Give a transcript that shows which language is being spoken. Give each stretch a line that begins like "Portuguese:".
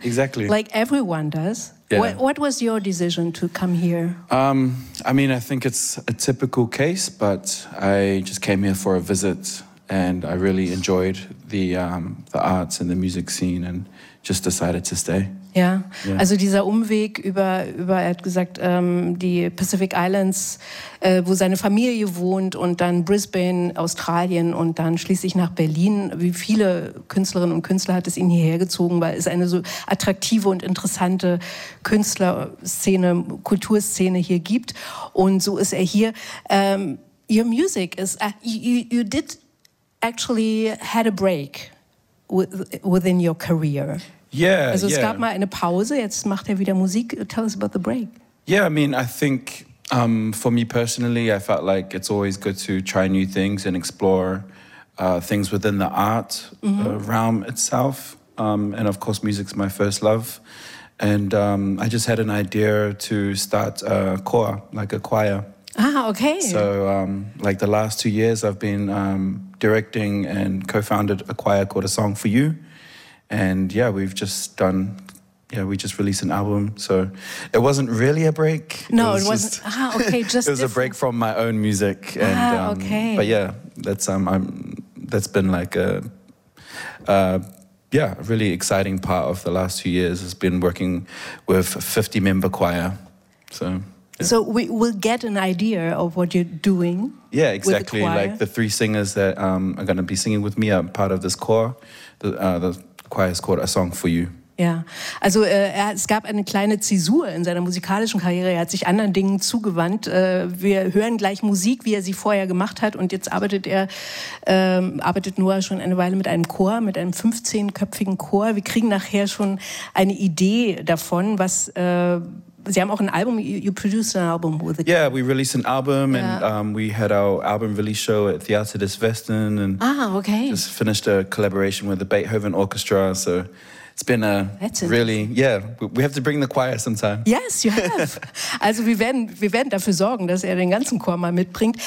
English: Exactly. Like everyone does. Yeah. What was your decision to come here? I mean, I think it's a typical case, but I just came here for a visit and I really enjoyed the arts and the music scene and just decided to stay.
German: Ja, also dieser Umweg über er hat gesagt, die Pacific Islands, wo seine Familie wohnt und dann Brisbane, Australien und dann schließlich nach Berlin. Wie viele Künstlerinnen und Künstler hat es ihn hierher gezogen, weil es eine so attraktive und interessante Künstlerszene, Kulturszene hier gibt. Und so ist er hier.
English: Your music is, you did actually had a break within your career. Yeah.
German: Also es gab mal eine Pause, jetzt macht er wieder Musik.
English: Tell us about the break. Yeah, I mean, I think for me personally, I felt like it's always good to try new things and explore things within the art realm itself. And of course, music's my first love. And I just had an idea to start a choir, like a choir. Ah, okay. So like the last 2 years, I've been directing and co-founded a choir called A Song For You. And yeah, we've just done, yeah, we just released an album. So it wasn't really a break. No, it was wasn't. Just, okay, just it was a break from my own music. And, okay. But yeah, that's been like a really exciting part of the last 2 years has been working with a 50-member choir. So. Yeah. So we will get an idea of what you're doing. Yeah, exactly. With the choir. Like the three singers that are going to be singing with me are part of this choir. Choir is called A Song For You.
German: Ja, also es gab eine kleine Zäsur in seiner musikalischen Karriere. Er hat sich anderen Dingen zugewandt. Wir hören gleich Musik, wie er sie vorher gemacht hat. Und jetzt arbeitet Noah schon eine Weile mit einem Chor, mit einem 15-köpfigen Chor. Wir kriegen nachher schon eine Idee davon, was... Sie haben auch ein Album,
English: you produced an album with the... Yeah, we released an album and we had our album release show at Theatre des Westen and just finished a collaboration with the Beethoven Orchestra, so it's been a really... Yeah, we have to bring the choir sometime. Yes, you have.
German: Also wir werden dafür sorgen, dass er den ganzen Chor mal mitbringt.